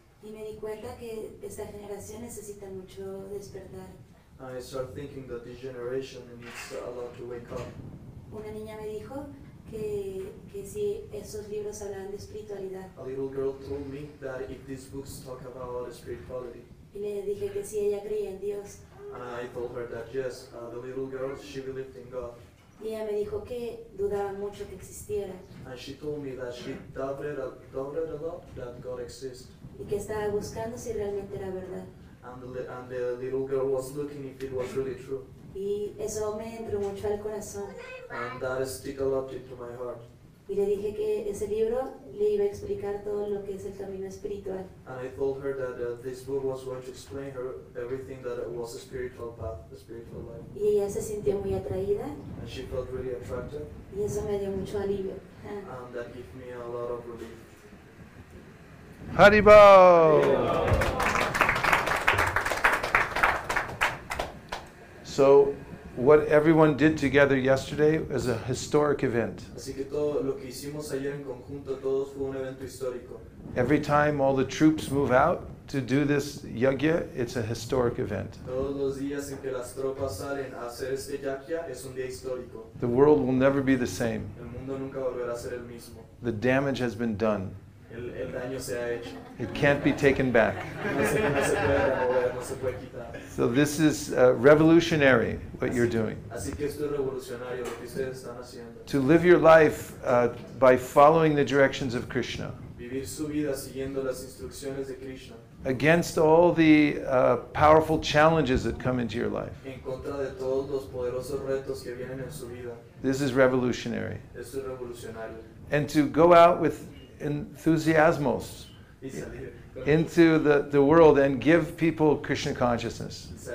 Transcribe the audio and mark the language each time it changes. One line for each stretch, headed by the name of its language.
Spanish: Y me di cuenta que esta generación necesita mucho despertar.
English: I started thinking that this generation needs a lot to wake up.
Spanish: Una niña me dijo. Que si esos libros hablan de espiritualidad.
English: A little girl told me that if these books talk about spirituality.
Spanish: Y le dije que si ella creía en Dios.
English: And I told her that yes, the little girl, she believed in God.
Spanish: Y ella me dijo que dudaba mucho que existiera.
English: And she told me that she doubted a lot that God exists.
Spanish: Y que estaba buscando si realmente era verdad.
English: And the little girl was looking if it was really true.
Spanish: Y eso me entró mucho al corazón.
English: And that stick a lot into my heart.
Spanish: Y le dije que ese libro le iba a explicar todo lo que es el camino espiritual.
English: And I told her that this book was going to explain her everything that it was a spiritual path, a spiritual life.
Spanish: Y ella se sintió muy atraída.
English: And she felt really attracted.
Spanish: Y eso me dio mucho alivio.
English: And that gave me a lot of relief. Haribo! So, what everyone did together yesterday is a historic event.
Spanish: Así que todo lo que hicimos ayer en conjunto todos fue un evento histórico.
English: Every time all the troops move out to do this yagya, it's a historic event.
Spanish: Todos los días en que las tropas salen a hacer este yagya es un día histórico.
English: The world will never be the same.
Spanish: El mundo nunca volverá a ser el mismo.
English: The damage has been done.
Spanish: El daño se ha hecho.
English: It can't be taken back.
Spanish: No se puede
English: so this is revolutionary what you're doing.
Spanish: Así que esto es revolucionario lo que ustedes están haciendo.
English: To live your life by following the directions of Krishna.
Spanish: Vivir su vida siguiendo las instrucciones de Krishna.
English: Against all the powerful challenges that come into your life.
Spanish: En contra de todos los poderosos retos que vienen en su vida.
English: This is revolutionary.
Spanish: Esto es revolucionario.
English: And to go out with enthusiasmos into the world and give people Krishna consciousness.